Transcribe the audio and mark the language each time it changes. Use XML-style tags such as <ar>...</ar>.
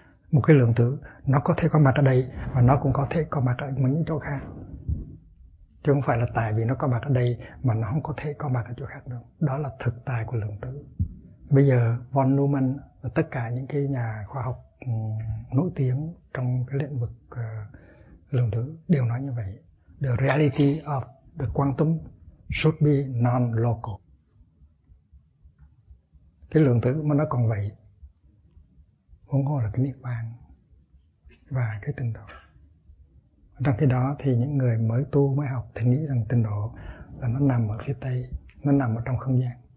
<vi>Một cái lượng tử nó có thể có mặt ở đây và nó cũng có thể có mặt ở những chỗ khác, chứ không phải là tại vì nó có mặt ở đây mà nó không có thể có mặt ở chỗ khác đâu. Đó là thực tại của lượng tử. Bây giờ von Neumann và tất cả những cái nhà khoa học nổi tiếng trong cái lĩnh vực lượng tử đều nói như vậy.</vi> <en>The reality of the quantum should be non-local.</en> <vi>Cái lượng tử mà nó còn vậy, huống hồ là cái niết bàn và cái tịnh độ. Trong khi đó thì những người mới tu, mới học thì nghĩ rằng tịnh độ là nó nằm ở phía Tây, nó nằm ở trong không gian.</vi>